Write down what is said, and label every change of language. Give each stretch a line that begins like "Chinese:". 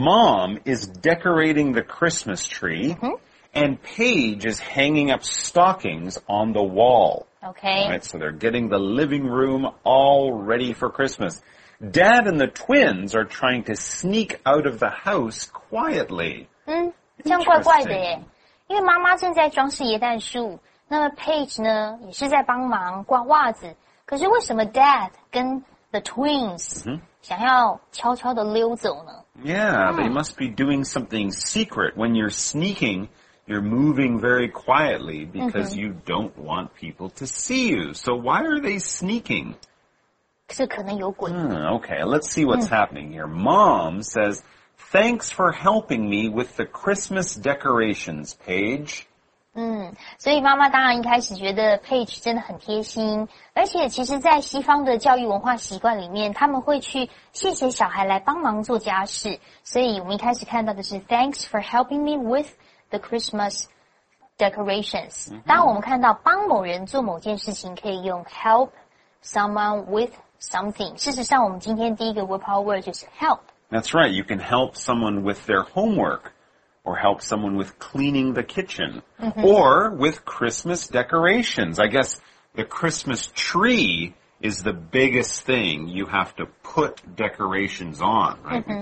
English: Mom is decorating the Christmas tree, mm-hmm. and Paige is hanging up stockings on the wall. Okay. All right, so they're getting the living room all ready for Christmas. Dad and the twins are trying to sneak out of the house quietly.
Chinese: 这样怪怪的耶。因为妈妈正在装饰椰蛋树，那么 Paige 呢，也是在帮忙挂袜子。可是为什么 Dad 跟 the twins 想要悄悄地溜走呢？
English: Yeah, they must be doing something secret when you're sneaking. You're moving very quietly because、mm-hmm. you don't want people to see you. So why are they sneaking?
Chinese: 是可能有鬼。
English: Okay, let's see what's、mm-hmm. happening here. Mom says, thanks for helping me with the Christmas decorations, Paige.
Chinese: 所以妈妈当然一开始觉得 Paige 真的很贴心。而且其实在西方的教育文化习惯里面他们会去谢谢小孩来帮忙做家事。所以我们一开始看到的是
English: thanks for helping me withThe Christmas decorations.、
Chinese: Mm-hmm. 当我们看到帮某人做某件事情可以用
English: help someone with something.
Chinese: 事实上我们今天第一个 word power word 就是 help.
English: That's right. You can help someone with their homework or help someone with cleaning the kitchen、mm-hmm. or with Christmas decorations. I guess the Christmas tree is the biggest thing you have to put decorations on, right?、Mm-hmm.